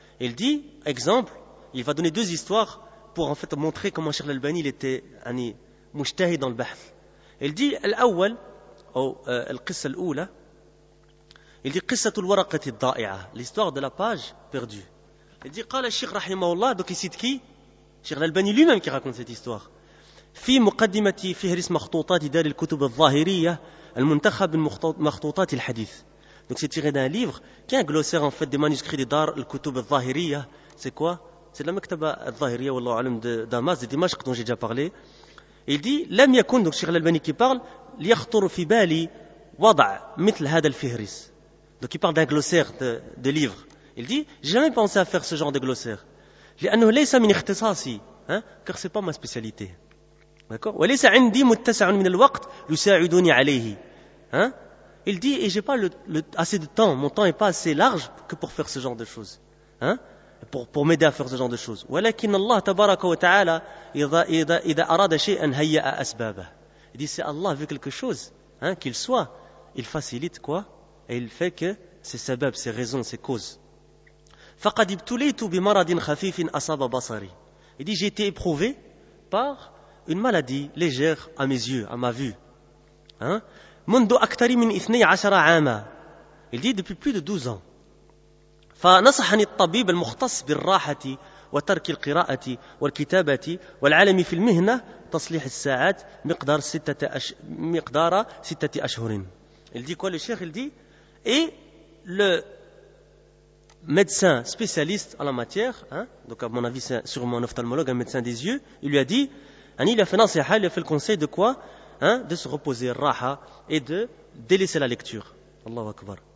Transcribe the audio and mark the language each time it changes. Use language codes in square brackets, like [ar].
[fr] Il dit exemple, il va donner deux histoires pour en fait montrer comment Cheikh l'Albani il était ani mujtahid dans le bahth. Il dit al-awwal ou al-qissa al-oula. Il dit [ar] قصة الورقة الضائعة, [fr] l'histoire de la page perdue. Il dit [ar] قال الشيخ رحمه الله, [fr] donc il cite qui? Cheikh l'Albani lui-même qui raconte cette histoire. [ar] في مقدمة فهرس مخطوطات دار الكتب الظاهرية المنتخب من مخطوطات الحديث. [fr] Donc c'est tiré d'un livre qui est un glossaire en fait des manuscrits des دار الكتب الظاهرية. C'est quoi? C'est la [ar] مكتبة الظاهرية والله أعلم [fr] de Damas, de Dimashq dont j'ai déjà parlé. [ar] Il dit لم يكن, [fr] donc Cheikh l'Albani qui parle, [ar] ليخطر في بالي وضع مثل هذا الفهرس. [fr] Donc il parle d'un glossaire de livres. Il dit, j'ai jamais pensé à faire ce genre de glossaire. [ar] لأنه ليس من اختصاصي, [fr] hein, car c'est pas ma spécialité. D'accord? [ar] وليس عندي متسع من الوقت يساعدني عليه. [fr] Hein? Il dit, et j'ai pas le assez de temps, mon temps est pas assez large que pour faire ce genre de choses. Hein? Pour m'aider à faire ce genre de choses. [ar] ولكن الله تبارك وتعالى إذا أراد شيئا هيأ أسبابه. [fr] Il dit, si Allah veut quelque chose, hein, qu'il soit, il facilite quoi? Et il fait que ses sabab, ses raisons, ses causes. [ar] فقد ابتليت بمرض خفيف أصاب بصري. [fr] Il dit, j'ai été éprouvé par une maladie légère à mes yeux, à ma vue. [ar] منذ أكثر من 12 عاما. [fr] Il dit, depuis plus de 12 ans. [ar] فنصحني الطبيب المختص بالراحة وترك القراءة والكتابة والعلم في المهنة تصليح الساعات مقدار ستة مقدار ستة أشهر. [fr] Il dit quoi le cheikh? Il dit, et le médecin spécialiste en la matière, hein, donc à mon avis c'est sûrement un ophtalmologue, un médecin des yeux, il lui a dit, il a fait nasiha, il a fait le conseil de quoi, hein, de se reposer, raha, et de délaisser la lecture. Allahu Akbar.